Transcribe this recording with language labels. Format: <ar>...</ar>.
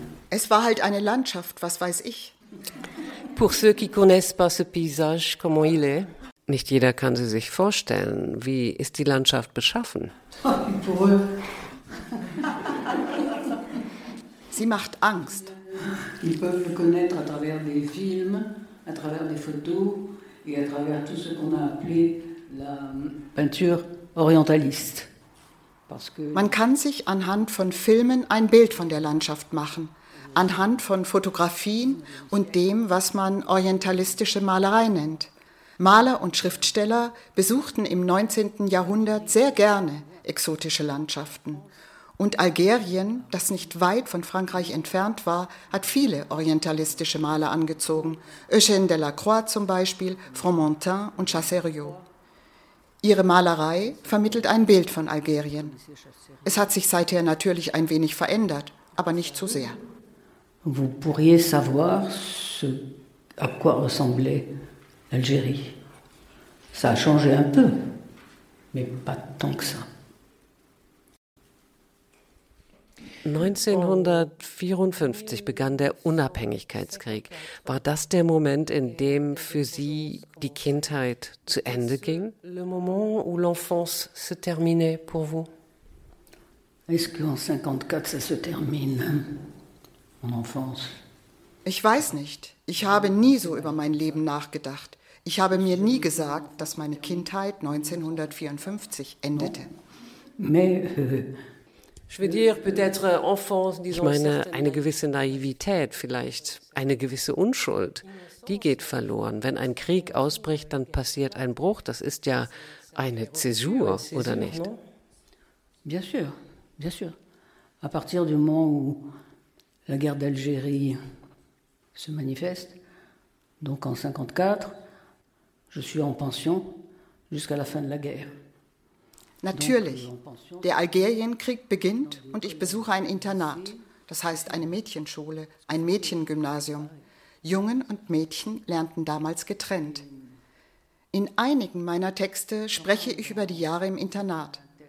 <de>Es war halt eine Landschaft, was weiß ich.</de> <fr>Pour ceux qui connaissent pas ce paysage, comment il est?</fr> <de>Nicht jeder kann sie sich vorstellen. Wie ist die Landschaft beschaffen? Sie macht Angst.</de> <fr>Ils peuvent le connaître à travers des films, à travers des photos et à travers tout ce qu'on a appelé la peinture orientaliste.</fr> <de>Man kann sich anhand von Filmen ein Bild von der Landschaft machen, anhand von Fotografien und dem, was man orientalistische Malerei nennt. Maler und Schriftsteller besuchten im 19. Jahrhundert sehr gerne exotische Landschaften. Und Algerien, das nicht weit von Frankreich entfernt war, hat viele orientalistische Maler angezogen. Eugène Delacroix zum Beispiel, Fromentin und Chassériau. Ihre Malerei vermittelt ein Bild von Algerien. Es hat sich seither natürlich ein wenig verändert, aber nicht zu sehr.</de> <fr>Vous pourriez savoir ce à quoi ressemblait l'Algérie. Ça a changé un peu, mais pas tant que ça.</fr> <de>1954 begann der Unabhängigkeitskrieg. War das der Moment, in dem für Sie die Kindheit zu Ende ging?</de> <fr>Le moment où l'enfance se terminait pour vous? Est-ce qu'en 54 ça se termine, mon enfance?</fr> <de>Ich weiß nicht. Ich habe nie so über mein Leben nachgedacht. Ich habe mir nie gesagt, dass meine Kindheit 1954 endete. Ich meine, eine gewisse Naivität, vielleicht eine gewisse Unschuld, die geht verloren. Wenn ein Krieg ausbricht, dann passiert ein Bruch. Das ist ja eine Zäsur, oder nicht?</de> <fr>Bien sûr, bien sûr. À partir du moment où la guerre d'Algérie se manifeste, donc en 54, je suis en pension jusqu'à la fin de la guerre.</fr> <de>Natürlich. Der Algerienkrieg beginnt und ich besuche ein Internat, das heißt eine Mädchenschule, ein Mädchengymnasium. Jungen und Mädchen lernten damals getrennt. In einigen meiner Texte spreche ich über die Jahre im Internat.</de>